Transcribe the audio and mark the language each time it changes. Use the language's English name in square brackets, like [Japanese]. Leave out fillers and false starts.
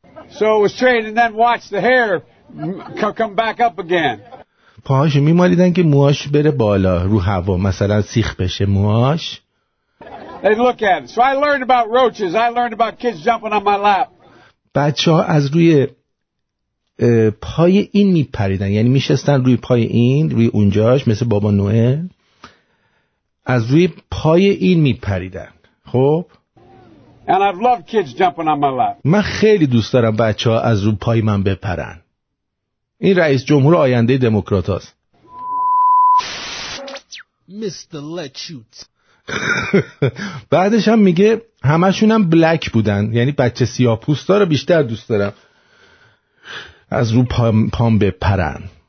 [English] So it was straight and then watch the hair come back up again. [Persian] پاهاشو میمالیدن که موهاش بره بالا رو هوا، مثلا سیخ بشه موهاش. [English] And look at it. So I learned about roaches. I learned about kids jumping on my lap. [Persian] بچه‌ها از روی پای این میپریدن، یعنی میشستن روی پای این، روی اونجاش مثل بابا نوئل. از روی پای این میپریدن. خب [English] and I've loved kids jumping on my lap. [Persian] من خیلی دوست دارم بچه ها از روی پای من بپرن. این رئیس جمهور آینده دموکرات هست. [English] Mr. Lechute. [Persian] بعدش هم میگه همشون هم بلک بودن، یعنی بچه سیاه پوستا رو بیشتر دوست دارم از روی پام بپرن.